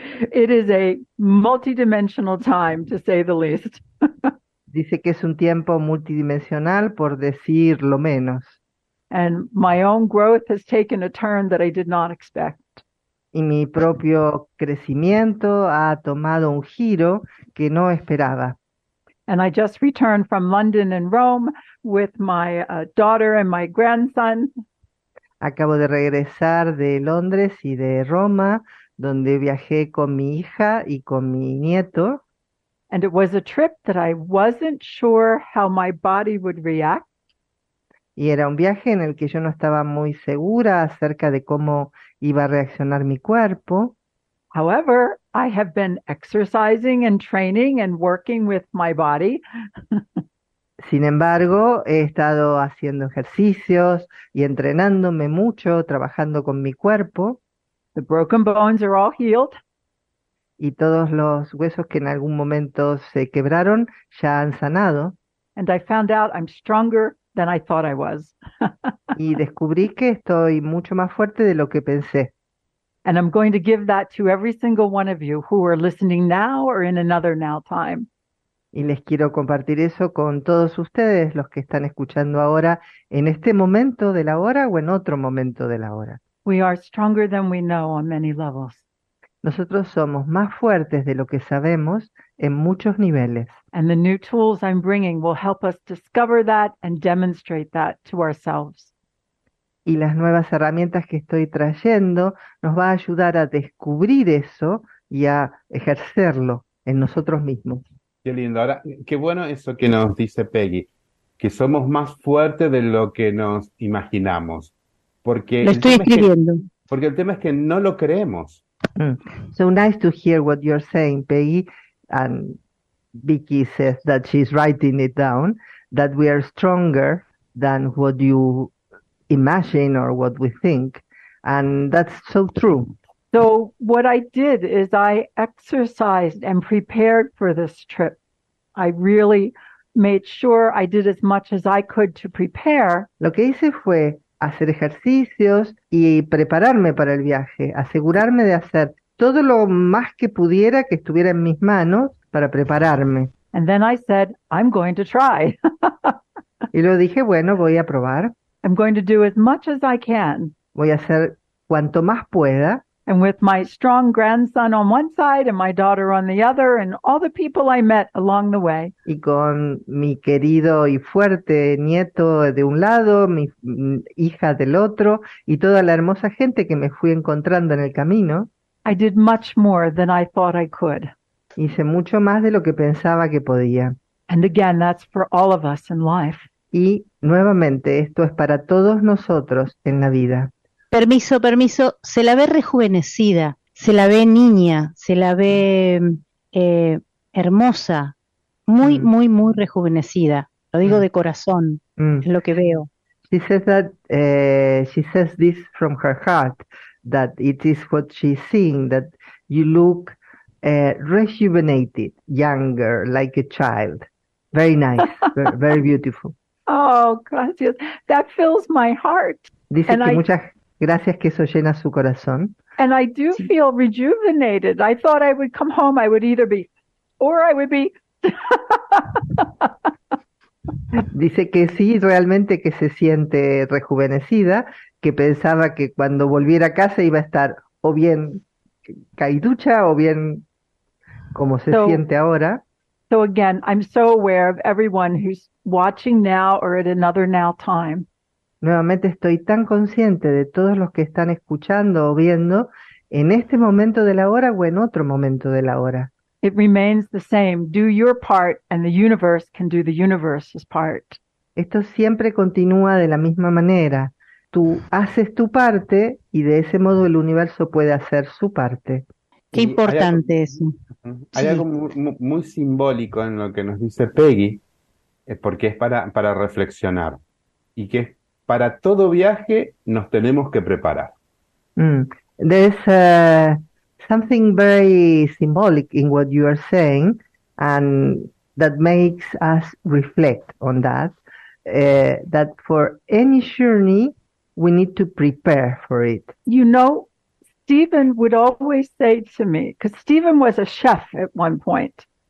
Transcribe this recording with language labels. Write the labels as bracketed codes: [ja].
[en] It is a multidimensional time, to say the least. [es] Dice que es un tiempo multidimensional, por decir lo menos. [en] And my own growth has taken a turn that I did not expect. [es] Y mi propio crecimiento ha tomado un giro que no esperaba. [en] And I just returned from London and Rome with my daughter and my grandson. [es] Acabo de regresar de Londres y de Roma, donde viajé con mi hija y con mi nieto. [en] And it was a trip that I wasn't sure how my body would react. [es] Y era un viaje en el que yo no estaba muy segura acerca de cómo iba a reaccionar mi cuerpo. [en] However, I have been exercising and training and working with my body. [es] Sin embargo, he estado haciendo ejercicios y entrenándome mucho, trabajando con mi cuerpo. [en] The broken bones are all healed. [es] Y todos los huesos que en algún momento se quebraron ya han sanado. [en] And I found out I'm stronger than I thought I was. [es] Y descubrí que estoy mucho más fuerte de lo que pensé. [en] And I'm going to give that to every single one of you who are listening now or in another now time. [es] Y les quiero compartir eso con todos ustedes, los que están escuchando ahora, en este momento de la hora o en otro momento de la hora. [en] We are stronger than we know on many levels. [es] Nosotros somos más fuertes de lo que sabemos en muchos niveles. [en] And the new tools I'm bringing will help us discover that and demonstrate that to ourselves. [es] Y las nuevas herramientas que estoy trayendo nos va a ayudar a descubrir eso y a ejercerlo en nosotros mismos. Qué lindo. Ahora, qué bueno eso que nos dice Peggy, que somos más fuertes de lo que nos imaginamos. Porque lo estoy escribiendo. Porque el tema es que no lo creemos. [en] So nice to hear what you're saying, Peggy. And Vicky says that she's writing it down, that we are stronger than what you imagine or what we think, and that's so true. So what I did is I exercised and prepared for this trip. I really made sure I did as much as I could to prepare. [es] Lo que hice fue hacer ejercicios y prepararme para el viaje, asegurarme de hacer todo lo más que pudiera que estuviera en mis manos para prepararme. [en] And then I said, I'm going to try. [es] Y lo dije, bueno, voy a probar. [en] I'm going to do as much as I can. [es] Voy a hacer cuanto más pueda. [en] And with my strong grandson on one side and my daughter on the other and all the people I met along the way. [es] Y con mi querido y fuerte nieto de un lado, mi hija del otro y toda la hermosa gente que me fui encontrando en el camino. [en] I did much more than I thought I could. [es] Hice mucho más de lo que pensaba que podía. [en] And again, that's for all of us in life. [es] Y nuevamente, esto es para todos nosotros en la vida. Permiso, permiso, se la ve rejuvenecida, se la ve niña, se la ve hermosa, muy, muy, muy rejuvenecida. Lo digo de corazón, es lo que veo. [en] She says that she says this from her heart, that it is what she's seeing, that you look rejuvenated, younger, like a child. Very nice, very beautiful. Oh, [es] gracias. [en] That fills my heart. [es] Dice and que muchas gracias que eso llena su corazón. [en] And I do sí. feel rejuvenated. I thought I would come home, I would either be, or I would be. [es] Dice que sí, realmente que se siente rejuvenecida, que pensaba que cuando volviera a casa iba a estar o bien caiducha o bien como se [en] so, [es] siente ahora. [en] So again, I'm so aware of everyone who's watching now or at another now time. [es] Nuevamente estoy tan consciente de todos los que están escuchando o viendo en este momento de la hora o en otro momento de la hora. [en] It remains the same. Do your part and the universe can do the universe's part. [es] Esto siempre continúa de la misma manera. Tú haces tu parte y de ese modo el universo puede hacer su parte. Qué importante eso. Hay algo muy simbólico en lo que nos dice Peggy, porque es para reflexionar, y que para todo viaje nos tenemos que preparar. [en] There's something very symbolic in what you are saying, and that makes us reflect on that, that for any journey we need to prepare for it. You know, Stephen would always say to me, because Stephen was a chef at one point.